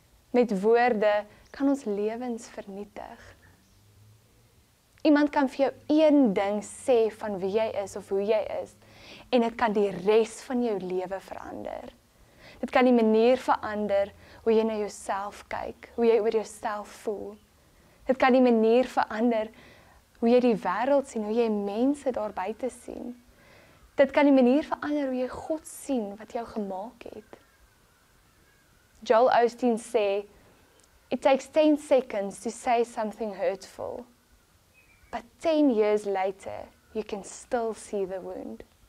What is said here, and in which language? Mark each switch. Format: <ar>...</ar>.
<af>Met woorde kan ons lewens vernietig. Iemand kan vir jou een ding sê van wie jy is of hoe jy is, en het kan die rest van jou lewe verander. Dit kan die manier verander hoe jy na jouself kyk, hoe jy oor jouself voel. Dit kan die manier verander hoe jy die wêreld sien, hoe jy mense daar buite sien. Dit kan die manier verander hoe jy God sien wat jou gemaak het.</af> <en>Joel Osteen sê, it takes 10 seconds to say something hurtful, but 10 years later, you can still see the wound.</en>